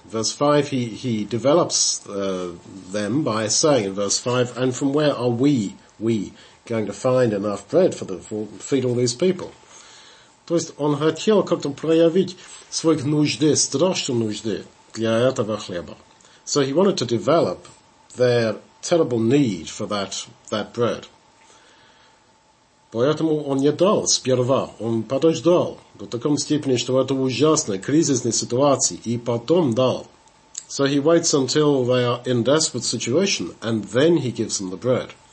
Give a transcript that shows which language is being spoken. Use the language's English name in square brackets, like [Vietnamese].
[English] Verse 5, he develops them by saying in verse 5, and from where are we going to find enough bread for feed all these people? [Russian] То есть он хотел как-то проявить свои нужды, страшные нужды для этого хлеба. [English] So he wanted to develop their terrible need for that bread. [Russian] Поэтому он не дал сперва, он подождал до такой степени, что это ужасная кризисная ситуация, и потом дал. [English] So he waits until they are in desperate situation, and then he gives them the bread.